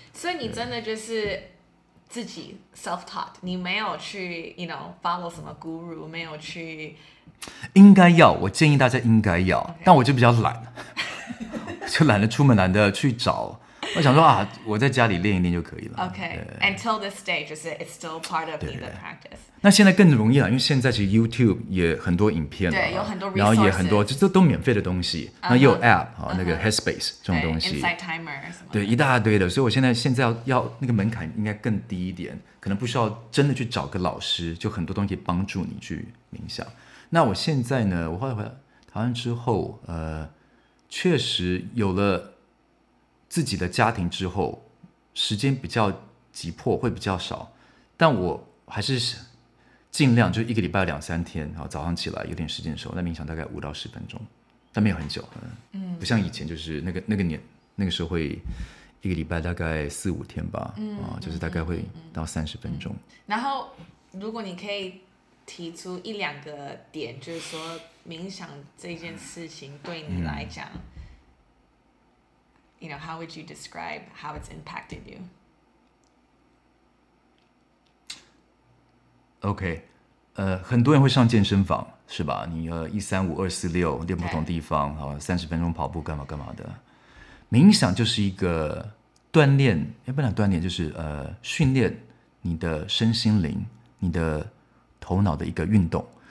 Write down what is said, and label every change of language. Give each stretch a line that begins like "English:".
Chinese: 所以你真的就是自己
English: self-taught，
Chinese: 你没有去
English: you know, follow
Chinese: 什么 guru， 没有去。应该要，我建议大家应该要、okay. 但我就比较懒。就懒得出门，懒得去找。我想说啊，我在家里练一练就可以了。
English: Okay, until this stage, just it's still part of the practice.
Chinese: 那现在更容易了，因为现在其实 YouTube 也很多影片了，对，有很多 resources， 然后也很多，这都免费的东西。那、也有 App 啊、那个 Headspace 这种东西，Insight Timer 什么的，对，一大堆的。所以我现在要那个门槛应该更低一点，可能不需要真的去找个老师，就很多东西帮助你去冥想。那我现在呢，我后来回来台湾之后，确实有了自己的家庭之后，时间比较急迫，会比较少，但我还是尽量就一个礼拜两三天，然后早上起来有点时间的时候，那冥想大概5到10分钟，但没有很久，不像以前就是那个年那个时候会一个礼拜大概4-5天吧，就是大概会到30分钟。然后如果你可以提出一两个点，就是说冥想这件事情对你来讲。
English: You know, how would you describe how it's impacted you? Okay.
Chinese: 很多人会上健身房，是吧？你135、246练不同地方，然后三十分钟跑步干嘛干嘛的。冥想就是一个锻炼，不能锻炼，就是训练你的身心灵，你的头脑的一个运动。